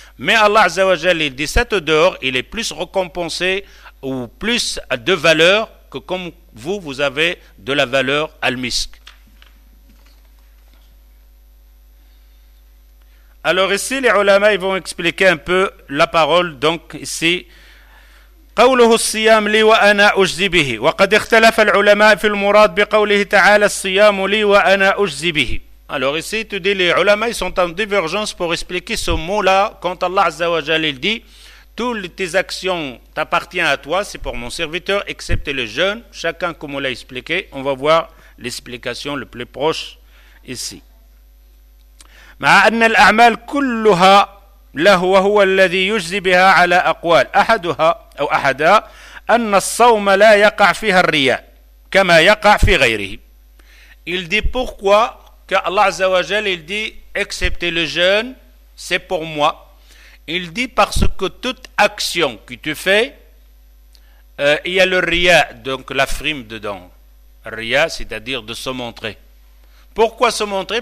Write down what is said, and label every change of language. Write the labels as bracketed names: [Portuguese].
[French] Mais Allah Azza wa Jalla, il dit cette odeur, il est plus récompensé ou plus de valeur que comme vous, vous avez de la valeur al-misk. Alors ici, les ulama ils vont expliquer un peu la parole. Donc ici, [Arabic] قوله الصيام لي وأنا أجزي به. وقد اختلف العلماء في المراد بقوله تعالى الصيام لي وأنا أجزي به. [French] Alors ici, tu dis les ulama ils sont en divergence pour expliquer ce mot-là quand Allah Azza wa Jalla dit toutes tes actions t'appartiennent à toi, c'est pour mon serviteur, excepté le jeûne. Chacun comme on l'a expliqué, on va voir l'explication le plus proche ici. [Arabic] مع أن الأعمال كلها له وهو الذي يجزي بها على أقوال أحدها أو أحدا أن الصوم لا يقع فيها الرياء كما يقع في غيره. [French] Il dit pourquoi que Allah عز وجل il dit excepté le jeûne c'est pour moi. Il dit parce que toute action que tu fais il y a le rya, donc la frime dedans. Rya, c'est-à-dire de se montrer. Pourquoi se montrer?